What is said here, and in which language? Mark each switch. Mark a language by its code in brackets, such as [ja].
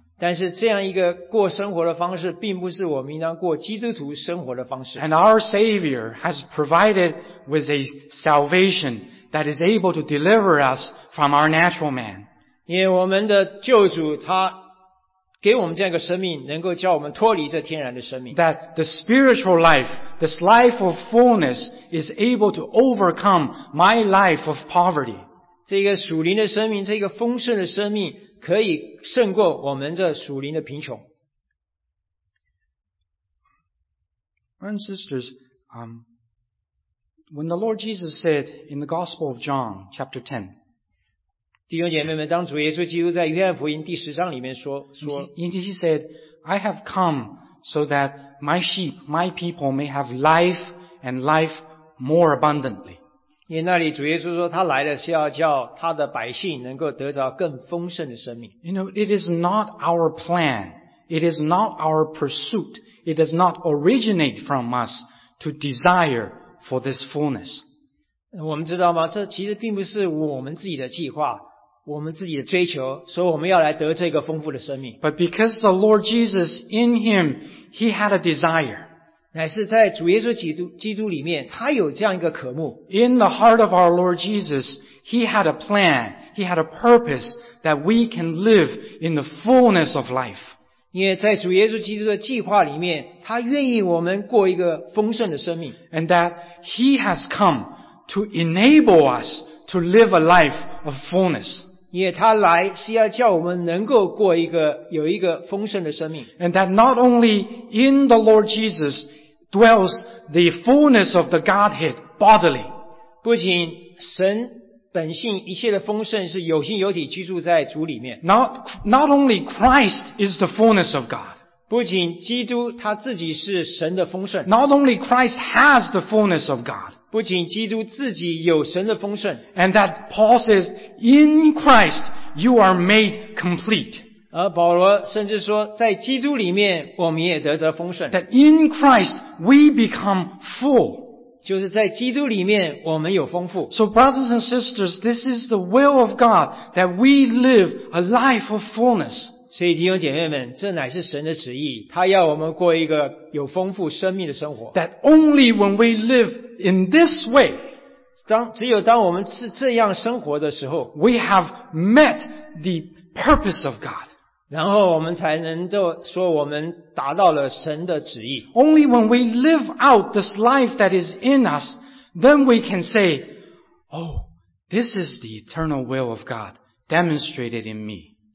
[zh] 但是这样一个过生活的方式，并不是我们应当过基督徒生活的方式。 [en] And our Savior has provided with a salvation that is able to deliver us from our natural man. [zh] 因为我们的救主他给我们这样一个生命，能够叫我们脱离这天然的生命。 [en] That the spiritual life, this life of fullness, is able to overcome my life of poverty. [zh] 这个属灵的生命，这个丰盛的生命，可以胜过我们这属灵的贫穷。 [en] Brothers and sisters, when the Lord Jesus said in the Gospel of John, chapter 10, [zh] 弟兄姐妹们，当主耶稣基督在约翰福音第十章里面说 [en] He said, I have come so that my sheep, my people may have life and life more abundantly. [zh] 因为那里主耶稣说他来了是要叫他的百姓能够得着更丰盛的生命。 [en] You know, it is not our plan. It is not our pursuit. It does not originate from us to desire for this fullness. [zh] 我们知道吗？这其实并不是我们自己的计划，我们自己的追求，所以我们要来得这个丰富的生命。 [en] But because the Lord Jesus in him, he had a desire. [zh] 乃是在主耶稣基督里面，他有这样一个渴慕。 [en] In the heart of our Lord Jesus, he had a plan, he had a purpose that we can live in the fullness of life. [zh] 因为在主耶稣基督的计划里面，他愿意我们过一个丰盛的生命。 [en] And that he has come. To enable us to live a life of fullness. [zh] 因为他来是要叫我们能够过一个有一个丰盛的生命。 [en] And that not only in the Lord Jesus dwells the fullness of the Godhead bodily. [zh] 不仅神本性一切的丰盛是有形有体居住在主里面。 [en] Not only Christ is the fullness of God. [zh] 不仅基督他自己是神的丰盛。 [en] Not only Christ has the fullness of God. [zh] 不仅基督自己有神的丰盛 [en] ，and that Paul says in Christ you are made complete。 [zh] 而保罗甚至说，在基督里面我们也得着丰盛。 [en] That in Christ we become full， [zh] 就是在基督里面我们有丰富。 [en] So brothers and sisters, this is the will of God that we live a life of fullness。 [zh] 所以弟兄姐妹们，这乃是神的旨意，他要我们过一个有丰富生命的生活。 [en] That only when we liveIn this way, [zh] 只有当我们是这样生活的时候 [en] ，we have met the purpose of God. [zh] 然后我们才能够说我们达到了神的旨意。 [en] Only when we live out this life that is in us, then we can say, "Oh, this is the eternal will of God demonstrated in me."